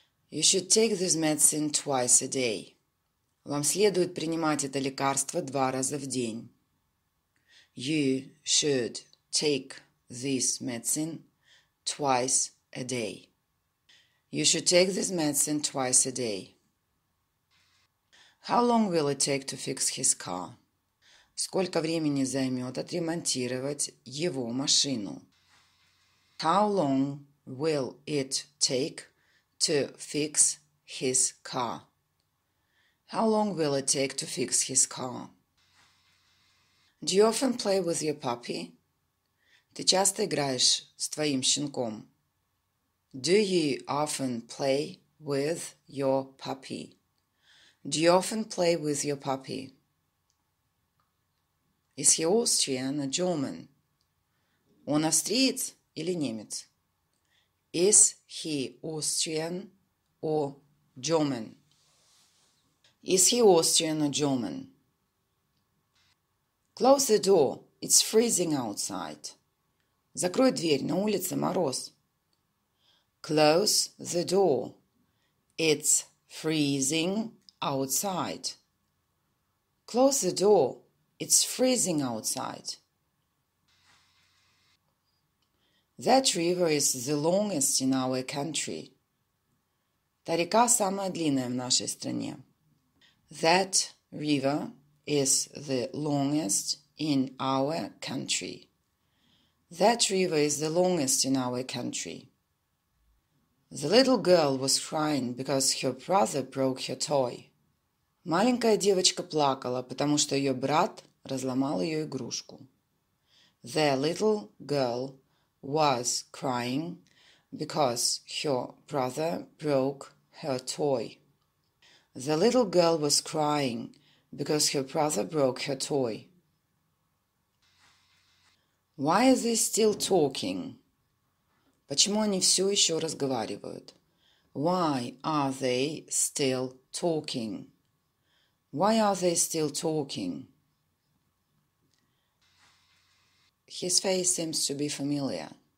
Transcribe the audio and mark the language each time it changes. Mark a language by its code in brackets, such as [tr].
[en] You should take this medicine twice a day. [ru] Вам следует принимать это лекарство два раза в день. [en] You should take this medicine twice a day. You should take this medicine twice a day. How long will it take to fix his car? [ru] Сколько времени займет отремонтировать его машину? [en] How long will it take to fix his car? How long will it take to fix his car? Do you often play with your puppy? [ru] Ты часто играешь с твоим щенком? [en] Do you often play with your puppy? Do you often play with your puppy? Is he Austrian or German? [ru] Он австриец или немец? [en] Is he Austrian or German? Is he Austrian or German? Close the door. It's freezing outside. [ru] Закрой дверь. На улице мороз. [en] Close the door. It's freezing outside. Close the door. It's freezing outside. That river is the longest in our country. [ru] Та река самая длинная в нашей стране. [en] That river is the longest in our country. That river is the longest in our country. The little girl was crying because her brother broke her toy. [ru] Маленькая девочка плакала, потому что ее брат разломал ее игрушку. [en] The little girl was crying because her brother broke her toy. The little girl was crying because her brother broke her toy. Why are they still talking? [ru] Почему они все еще разговаривают? [en] Why are they still talking? Why are they still talking? His face seems to be familiar.